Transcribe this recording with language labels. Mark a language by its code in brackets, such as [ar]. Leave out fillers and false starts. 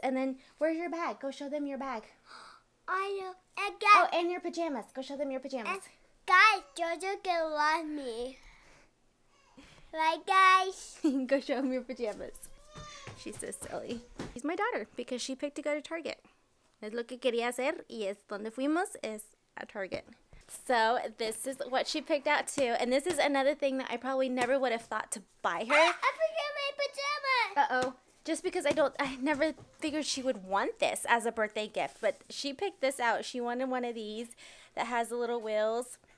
[en] And then where's your bag? Go show them your bag. I got. Oh, and your pajamas. Go show them your pajamas. Guys, JoJo can love me. Right, guys? Go show him your pajamas. She's so silly. She's my daughter because she picked to go to Target. [es] Es lo que quería hacer y es donde fuimos, es a Target. [en] So this is what she picked out too. And this is another thing that I probably never would have thought to buy her. I forgot my pajamas. Uh-oh. Just because I never figured she would want this as a birthday gift. But she picked this out. She wanted one of these that has the little wheels.